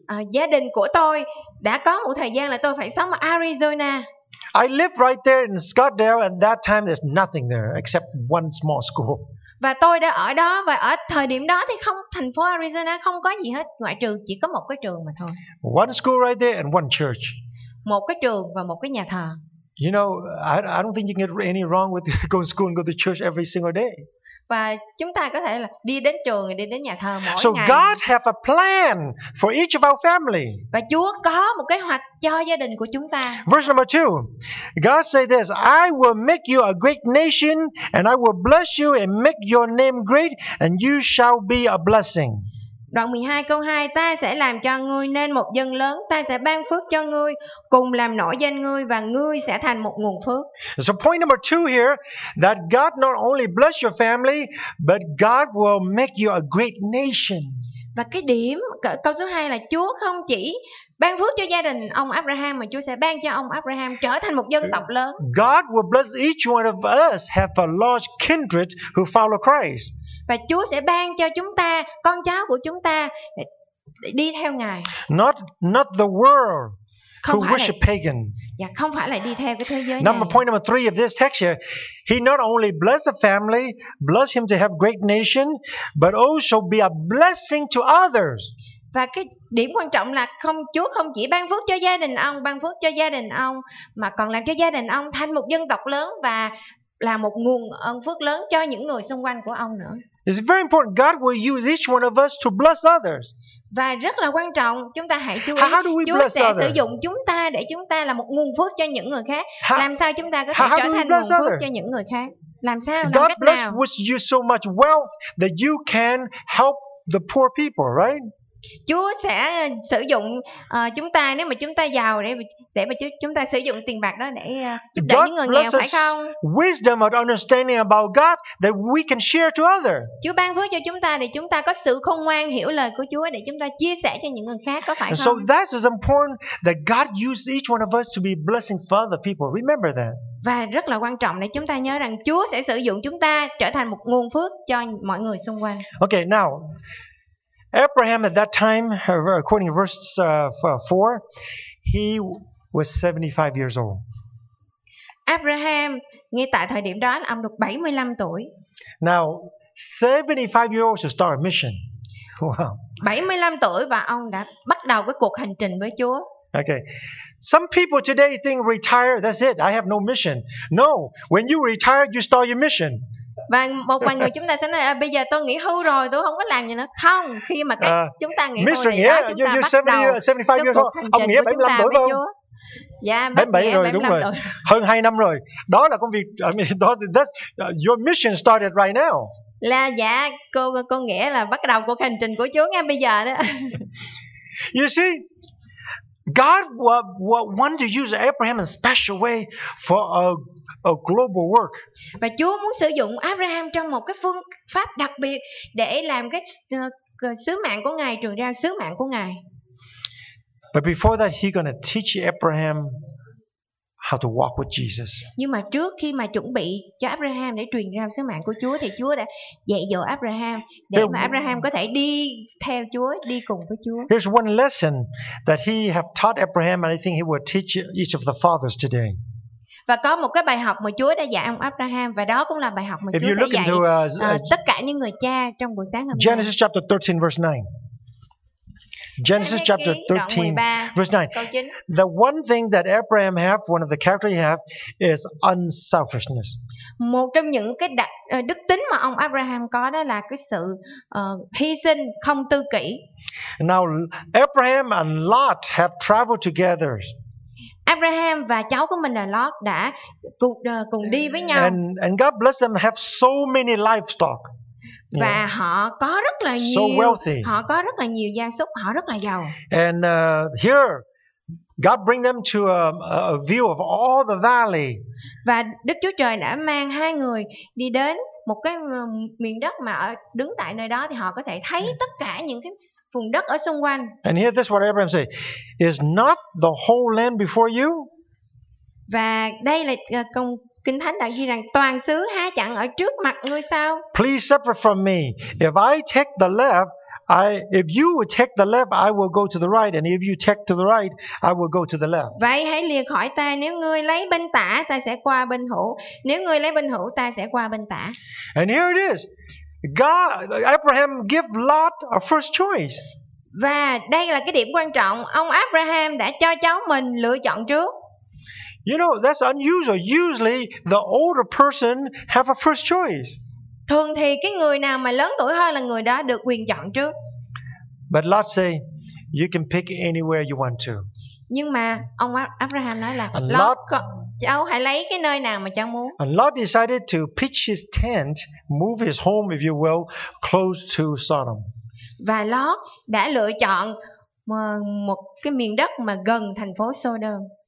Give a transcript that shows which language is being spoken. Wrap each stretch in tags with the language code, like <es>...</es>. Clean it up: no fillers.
<vi>gia đình của tôi đã có một thời gian là tôi phải sống ở Arizona.</vi> <en>I live right there in Scottsdale, and that time there's nothing there except one small school.</en> <vi>Và tôi đã ở đó, và ở thời điểm đó thì không, thành phố Arizona không có gì hết ngoại trừ chỉ có một cái trường mà thôi.</vi> <en>One school right there and one church.</en> <vi>Một cái trường và một cái nhà thờ.</vi> <en>You know, I don't think you can get any wrong with going to school and go to church every single day.</en> <vi>Và chúng ta có thể là đi đến trường, đi đến nhà thờ mỗi</vi> <en>so</en> <vi>ngày.</vi> <en>God have a plan for each of our family.</en> <vi>Và Chúa có một kế hoạch cho gia đình của chúng ta.</vi> <en>Verse number 2. God say this, I will make you a great nation, and I will bless you and make your name great, and you shall be a blessing.</en> <vi>Đoạn 12 câu 2, ta sẽ làm cho ngươi nên một dân lớn, ta sẽ ban phước cho ngươi, cùng làm nổi danh ngươi, và ngươi sẽ thành một nguồn phước.</vi> <en>So point number 2 here, that God not only bless your family, but God will make you a great nation.</en> <vi>Và cái điểm câu số 2 là Chúa không chỉ ban phước cho gia đình ông Abraham, mà Chúa sẽ ban cho ông Abraham trở thành một dân tộc lớn.</vi> <en>God will bless each one of us have a large kindred who follow Christ.</en> <vi>Và Chúa sẽ ban cho chúng ta, con cháu của chúng ta đi theo Ngài.</vi> <en>Not the world who worship pagan.</en> <vi>Dạ, không phải là đi theo cái thế giới này.</vi> <en>Point number 3 of this text here, he not only bless the family, bless him to have great nation, but also be a blessing to others.</en> <vi>Và cái điểm quan trọng là không, Chúa không chỉ ban phước cho gia đình ông, ban phước cho gia đình ông, mà còn làm cho gia đình ông thành một dân tộc lớn và là một nguồn ân phước lớn cho những người xung quanh của ông nữa.</vi> <en>It's very important. God will use each one of us to bless others.</en> <vi>Và rất là quan trọng, chúng ta hãy chú ý, Chúa sẽ sử dụng chúng ta để chúng ta là một nguồn phước cho những người khác. Làm sao chúng ta có thể trở thành nguồn phước cho những người khác? Làm sao,</vi> <en>God</en> <vi>làm cách</vi> <en>bless</en> <vi>nào?</vi> <en>With you so much wealth that you can help the poor people, right?</en> <vi>Chúa sẽ sử dụng chúng ta nếu mà chúng ta giàu để mà chúng ta sử dụng tiền bạc đó để giúp đỡ những người nghèo, phải không?</vi> <en>Wisdom and understanding about God that we can share to other.</en> <vi>Chúa ban phước cho chúng ta để chúng ta có sự khôn ngoan hiểu lời của Chúa để chúng ta chia sẻ cho những người khác, có phải không?</vi> <en>So that is important that God uses each one of us to be blessing for other people. Remember that.</en> <vi>Và rất là quan trọng để chúng ta nhớ rằng Chúa sẽ sử dụng chúng ta trở thành một nguồn phước cho mọi người xung quanh.</vi> <en>Okay, now Abraham at that time, according to verse 4, he was 75 years old.</en> <vi>Abraham, ngay tại thời điểm đó, ông được 75 tuổi.</vi> <en>Now, 75 years old to start a mission. Wow.</en> <vi>75 tuổi và ông đã bắt đầu cái cuộc hành trình với Chúa.</vi> <en>Okay. Some people today think retire, that's it, I have no mission. No, when you retire, you start your mission.</en> <vi>Và một vài người chúng ta sẽ nói à, bây giờ tôi nghỉ hưu rồi, tôi không có làm gì nữa. Không, khi mà chúng ta nghỉ hưu thì chúng ta 70, bắt đầu 75 cái cuộc hành trình của 75 chúng ta tuổi với Chúa. Dạ, 77 rồi, đúng rồi. Hơn 2 năm rồi. Đó là công việc,</vi> <en>I mean, that's your mission started right now.</en> <vi>Là dạ, cô nghĩa là bắt đầu cuộc hành trình của Chúa ngay bây giờ đó.</vi> <en>You see, God wanted to use Abraham in a special way for a global work.</en> <vi>Và Chúa muốn sử dụng Abraham trong một cái phương pháp đặc biệt để làm cái sứ mạng của Ngài, truyền ra sứ mạng của Ngài.</vi> <en>But before that he's going to teach Abraham how to walk with Jesus.</en> <vi>Nhưng mà trước khi mà chuẩn bị cho Abraham để truyền ra sứ mạng của Chúa thì Chúa đã dạy dỗ Abraham để mà Abraham có thể đi theo Chúa, đi cùng với Chúa.</vi> <en>Here's one lesson that he have taught Abraham and I think he will teach each of the fathers today.</en> <vi>Và có một cái bài học mà Chúa đã dạy ông Abraham và đó cũng là bài học mà Chúa dạy</vi> <en>into,</en> <vi>tất cả những người cha trong buổi sáng hôm nay.</vi> <en>Genesis chapter 13 verse 9. Genesis chapter 13 verse 9. The one thing that Abraham have, one of the characters he have is unselfishness.</en> <vi>Một trong những cái đức tính mà ông Abraham có đó là cái sự hy sinh không tư kỷ.</vi> <en>Now Abraham and Lot have traveled together.</en> <vi>Abraham và cháu của mình là Lot đã cùng đi với nhau.</vi> <en>And God bless them have so many livestock.</en> <vi>Và yeah. Họ có rất là nhiều.</vi> <en>So wealthy.</en> <vi>Họ có rất là nhiều gia súc, họ rất là giàu.</vi> <en>And here God bring them to a view of all the valley.</en> <vi>Và Đức Chúa Trời đã mang hai người đi đến một cái miền đất mà đứng tại nơi đó thì họ có thể thấy tất cả những cái vùng đất ở xung quanh.</vi> <en>And here this is what Abraham say, is not the whole land before you?</en> <vi>Và đây là công Kinh Thánh đã ghi rằng toàn xứ há chẳng ở trước mặt ngươi sao?</vi> <en>Please separate from me. If I take the left, if you take the left, I will go to the right, and if you take to the right, I will go to the left.</en> <vi>Vậy hãy lìa khỏi ta, nếu ngươi lấy bên tả, ta sẽ qua bên hữu. Nếu ngươi lấy bên hữu, ta sẽ qua bên tả.</vi> <en>And here it is. God, Abraham give Lot a first choice.</en> <vi>Và đây là cái điểm quan trọng, ông Abraham đã cho cháu mình lựa chọn trước.</vi> <en>You know, that's unusual. Usually the older person have a first choice.</en> <vi>Thường thì cái người nào mà lớn tuổi hơn là người đó được quyền chọn trước.</vi> <en>But Lot say, you can pick anywhere you want to. Nhưng mà ông Abraham nói là Lot, cháu hãy lấy cái nơi nào mà cháu muốn. And Lot decided to pitch his tent, move his home, if you will, close to Sodom.</en> <vi>Và Lot đã lựa chọn một cái miền đất mà gần thành phố Sodom.</vi>